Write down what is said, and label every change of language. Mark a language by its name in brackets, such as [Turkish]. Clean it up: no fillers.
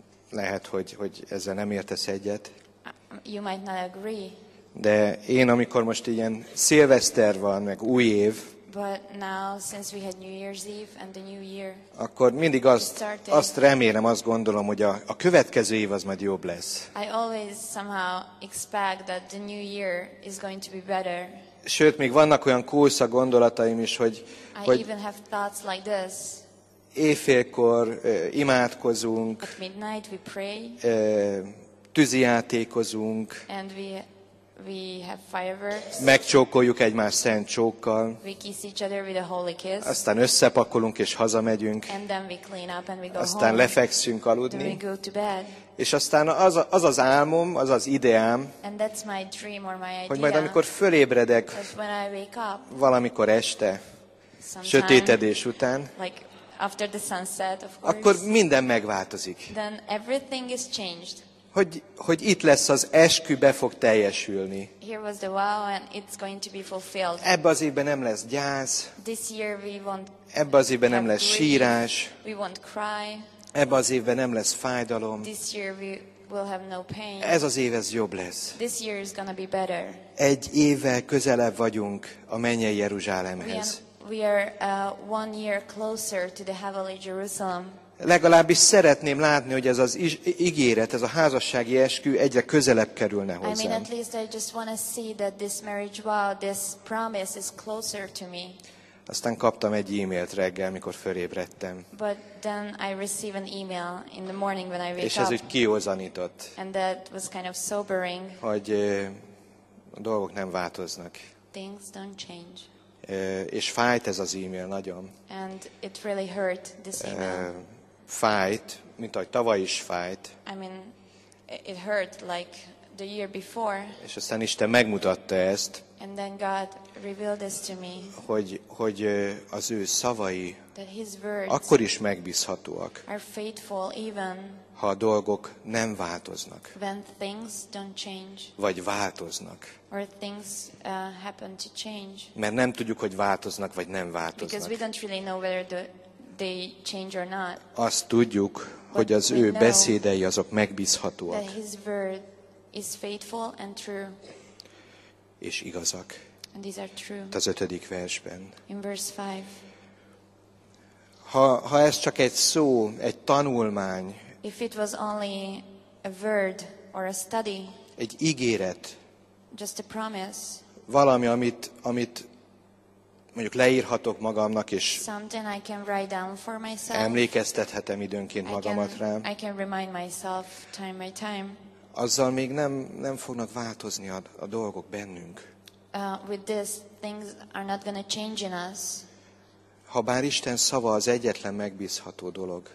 [Hungarian] Lehet, hogy ezzel nem értesz egyet. [English] You might not agree. [Hungarian] De én, amikor most ilyen szilveszter van, meg új év, [English] but now since we had New Year's Eve and the new year, [Hungarian] akkor mindig azt remélem, azt gondolom, hogy a következő év az majd jobb lesz. [English] I always somehow expect that the new year is going to be better. [Hungarian] Sőt, még vannak olyan kósza gondolataim is, hogy [English] I even have thoughts like this. [Hungarian] Éjfélkor imádkozunk. [English] At midnight we pray. [Hungarian] Tűzijátékozunk. [English] And we We have fireworks. [Hungarian] Megcsókoljuk egymást szent csókkal. [English] We kiss each other with a holy kiss. [Hungarian] Aztán összepakolunk és hazamegyünk. [English] And then we clean up and we go [Hungarian] aztán [English] home. [Hungarian] Lefekszünk aludni. [English] Then we go to bed. [Hungarian] És aztán az az álmom, az az ideám, [English] and that's my dream or my idea, [Hungarian] hogy majd amikor fölébredek, [English] when I wake up, [Hungarian] valamikor este, sötétedés után, [English] like after the sunset, of course, [Hungarian] akkor minden megváltozik. [English] Then everything is changed. [Hungarian] Hogy itt lesz az eskü, be fog teljesülni. [English] Here was the wow and it's going to be fulfilled. [Hungarian] Ebben az évben nem lesz gyász. [English] This year we won't. [Hungarian] Ebben az évben nem lesz sírás. [English] We won't cry. [Hungarian] Ebben az évben nem lesz fájdalom. [English] This year we will have no pain. [Hungarian] Ez az év, ez jobb lesz. [English] This year is gonna be better. [Hungarian] Egy évvel közelebb vagyunk a mennyei Jeruzsálemhez. [English] We are 1 year closer to the heavenly Jerusalem. [Hungarian] Legalábbis szeretném látni, hogy ez az ígéret, ez a házassági eskü egyre közelebb kerülne hozzám. [English] I mean, at least I just want to see that this marriage vow, this promise is closer to me. [Hungarian] Aztán kaptam egy e-mailt reggel, mikor fölébredtem. [English] But then I receive an email in the morning when I wake up. [Hungarian] És ez úgy kihozanított. [English] And that was kind of sobering. [Hungarian] Hogy a dolgok nem változnak. [English] Things don't change. [Hungarian] És fájt ez az e-mail nagyon. [English] And it really hurt this email. [Hungarian] Fájt, mint ahogy tavaly is fájt. [English] I mean, it hurt like the year before. [Hungarian] És aztán Isten megmutatta ezt. [English] And then God revealed this to me. [Hungarian] Hogy az ő szavai [English] that his words [Hungarian] akkor is megbízhatóak. [English] Are faithful even [Hungarian] ha a dolgok nem változnak. [English] When things don't change. [Hungarian] Vagy változnak. [English] Or things happen to change. [Hungarian] Mert nem tudjuk, hogy változnak vagy nem változnak. [English] Because we don't really know whether they change or not. [Hungarian] Azt tudjuk, hogy az ő beszédei azok megbízhatóak. [English] That his word is faithful and true. [Hungarian] És igazak. [English] And these are true. [Hungarian] Az ötödik versben. [English] In verse 5. [Hungarian] Ha ez csak egy szó, egy tanulmány. [English] If it was only a word or a study. [Hungarian] Egy ígéret. [English] Just a promise. [Hungarian] Valami, amit mondjuk leírhatok magamnak és [English] something I can write down for myself. [Hungarian] Emlékeztethetem időnként magamat rám. [English] I can remind myself time by time. [Hungarian] Azzal még nem fognak változni a dolgok bennünk. [English] With this, things are not gonna change in us. [Hungarian] Habár Isten szava az egyetlen megbízható dolog.